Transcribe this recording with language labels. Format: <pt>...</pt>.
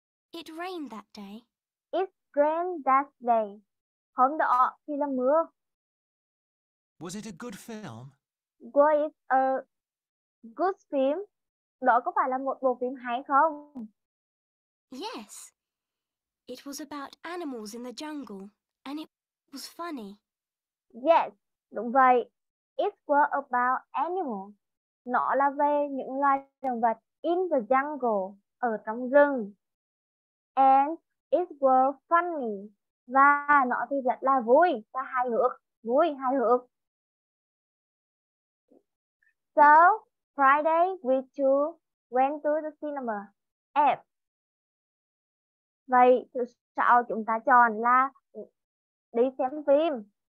<en>It rained that day. It rained that day.</en> <vi>Hôm đó thì là mưa.</vi> <en>Was it a good film? Was a good film?</en> <vi>Đó có phải là một bộ phim hay không?</vi> <en>Yes. It was about animals in the jungle, and it was funny. Yes,</en> <vi>đúng vậy.</vi> <en>It was about animals.</en> <vi>Nó là về những loài động vật</vi> <en>in the jungle,</en> <vi>ở trong rừng.</vi> <en>And it was funny.</en> <vi>Và nó thì rất là vui, và hài hước. Vui, hài hước.</vi> <en>So, Friday, we two went to the cinema. F.</en> <vi>Vậy, thứ sáu chúng ta chọn là đi xem phim.</vi>